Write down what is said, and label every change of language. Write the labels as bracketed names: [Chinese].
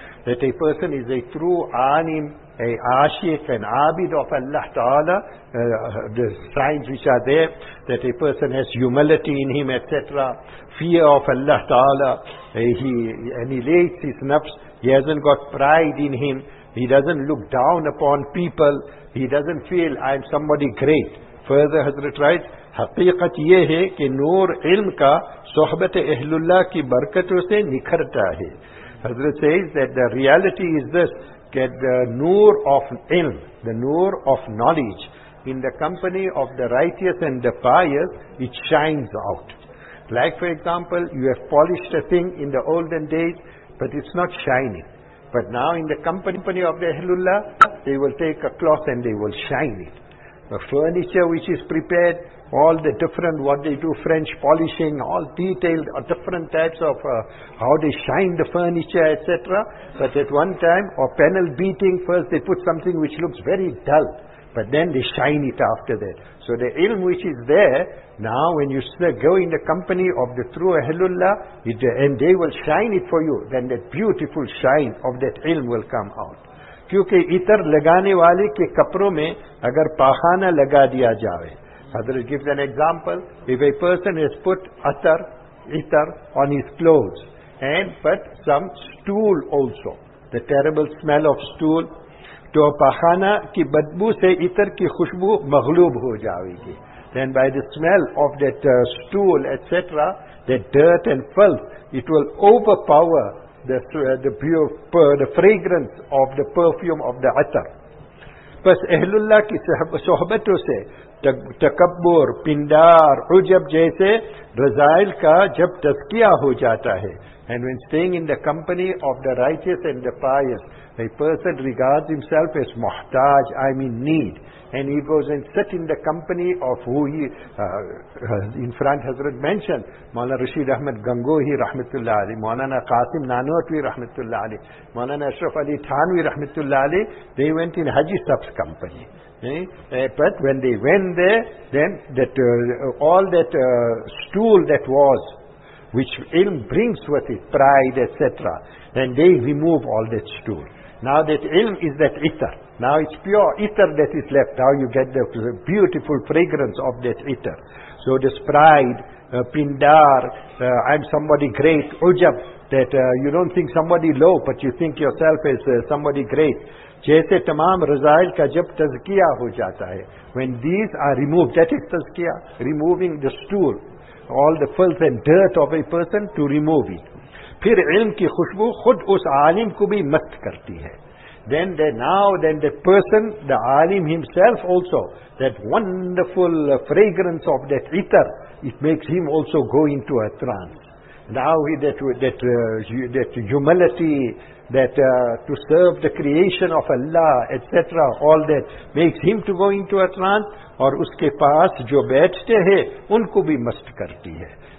[English] that a person is a true alim, a ashiq, an abid of Allah Ta'ala, the signs which are there, that a person has humility in him, etc., fear of Allah Ta'ala, and he lays his nafs, he hasn't got pride in him, he doesn't look down upon people, he doesn't feel, I am somebody great. Further, Hazrat writes, [Urdu] حقیقت یہ ہے کہ نور علم کا صحبت اہل اللہ کی برکتوں سے نکھرتا ہے. [English] Hazrat says that the reality is this, that the noor of ilm, the noor of knowledge, in the company of the righteous and the pious, it shines out. Like for example, you have polished a thing in the olden days, but it's not shining. But now in the company of the ahlullah, they will take a cloth and they will shine it. The furniture which is prepared, all the different, what they do, French polishing, all detailed, different types of how they shine the furniture, etc. But at one time, or panel beating, first they put something which looks very dull, but then they shine it after that. So the ilm which is there, now when you go in the company of the true Ahlullah, and they will shine it for you, then that beautiful shine of that ilm will come out. [Urdu] کیونکہ عطر لگانے والے کے کپڑوں میں اگر پاخانہ لگا دیا جائے. [English] Hazrat gives an example. If a person has put itar on his clothes, and put some stool also, the terrible smell of stool, [Urdu] تو پاخانہ کی بدبو سے عطر کی خوشبو مغلوب ہو جائے گی. [English] Then by the smell of that stool, etc., the dirt and filth, it will overpower the fragrance of the perfume of the atar. [Urdu] پس اہل اللہ کی صحبتوں سے تکبر، پندار، عجب جیسے رزائل کا جب تذکیہ ہو جاتا ہے. [English] And when staying in the company of the righteous and the pious, a person regards himself as muhtaj, I mean need. And he goes and sits in the company of who he, in front Hazrat mentioned, Maulana Rashid Ahmad Gangohi Rahmatullah Ali, Maulana Qasim Nanotwi Rahmatullah Ali, Maulana Ashraf Ali Thanwi Rahmatullah Ali, they went in Haji Saab's company. But when they went there, then that all that stool that was, which ilm brings with it, pride, etc., then they remove all that stool. Now that ilm is that itar. Now it's pure itar that is left. Now you get the beautiful fragrance of that itar. So this pride, pindar, I'm somebody great, ujab, that you don't think somebody low, but you think yourself as somebody great. [Urdu] جیسے تمام رزائل کا جب تزکیہ ہو جاتا ہے. [English] When these are removed, that is tazkiyah, removing the stool, all the filth and dirt of a person to remove it. [Urdu] پھر علم کی خوشبو خود اس عالم کو بھی مست کرتی ہے. [English] Then the person, the alim himself also, that wonderful fragrance of that itar, it makes him also go into a trance. Now that humility, that to serve the creation of Allah, etc., all that makes him to go into a trance, [Urdu] aur uske paas jo baithte hai, unko bhi mast karti hai.